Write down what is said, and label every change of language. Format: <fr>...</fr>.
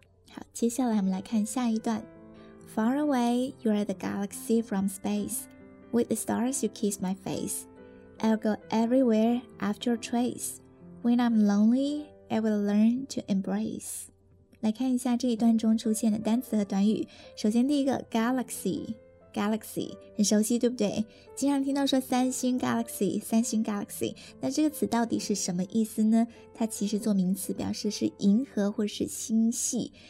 <zh>好，接下来我们来看下一段。</zh> <en>Far away, you are the galaxy from space. With the stars, you kiss my face. I'll go everywhere after your trace. When I'm lonely, I will learn to embrace.</en> <zh>来看一下这一段中出现的单词和短语。首先第一个 Galaxy 很熟悉，对不对？经常听到说三星 galaxy， 那这个词到底是什么意思呢？它其实做名词表示是银河或是星系。</zh>